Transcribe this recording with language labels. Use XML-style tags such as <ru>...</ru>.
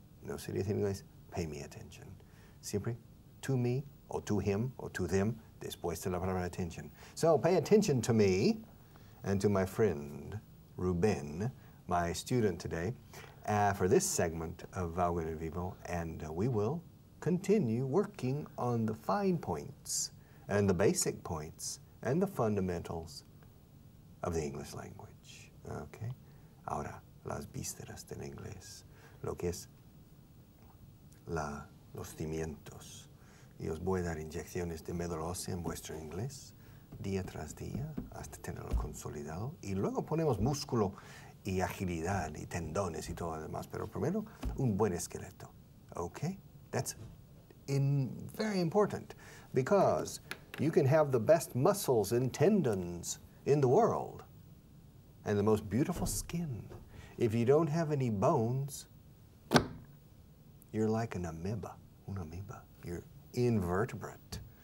<es>No se dice en inglés,</es> <en>pay me attention.</en> <es>Siempre</es> <en>to me, or to him, or to them,</en> <es>después de la palabra attention.</es> <en>So pay attention to me and to my friend, Ruben, my student today, for this segment of Vaughan en Vivo, and we will continue working on the fine points and the basic points and the fundamentals of the English language, okay?</en> <es>Ahora, las vísceras del inglés, lo que es los cimientos. Y os voy a dar inyecciones de médula ósea en vuestro inglés, día tras día, hasta tenerlo consolidado. Y luego ponemos músculo y agilidad y tendones y todo lo demás. Pero primero, un buen esqueleto, okay?</es> <en>That's very important, because you can have the best muscles and tendons in the world, and the most beautiful skin. If you don't have any bones, you're like an amoeba, You're invertebrate.</en>